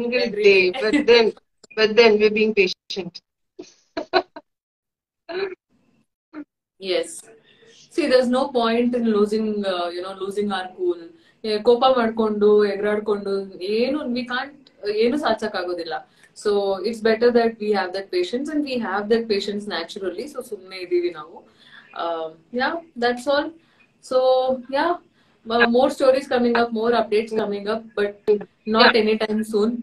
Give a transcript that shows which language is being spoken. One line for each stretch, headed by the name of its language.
English: Every day, but then we're being patient. Yes. See, there's no point in losing our cool.
Kannada: ಕೋಪ ಮಾಡ್ಕೊಂಡು ಎಗರಾಡ್ಕೊಂಡು ಏನು
English: we can't,
Kannada: ಏನು ಸಾಧಿಸಕ್ ಆಗೋದಿಲ್ಲ.
English: So it's better that we have that patience, and we have that patience naturally.
Kannada: So ಸುಮ್ಮನೆ ಇದೀವಿ ನಾವು.
English: Yeah, that's all. So yeah, more stories coming up, more updates coming up, but not anytime soon.